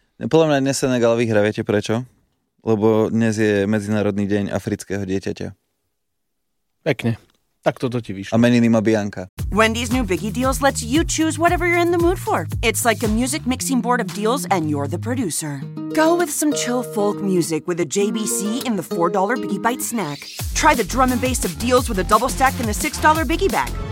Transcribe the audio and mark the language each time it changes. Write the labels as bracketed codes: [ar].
[sk] Podle mě dnes Senegal vyhra, víte prečo? Lebo dnes je Medzinárodný deň afrického dieťaťa. Pekne. Tak toto ti vyšlo. A meniny má Bianka. [en] Wendy's new Biggie Deals lets you choose whatever you're in the mood for. It's like a music mixing board of deals and you're the producer. Go with some chill folk music with a JBC in the $4 Biggie Bite snack. Try the drum and bass of deals with a double stack in the $6 Biggie Bag.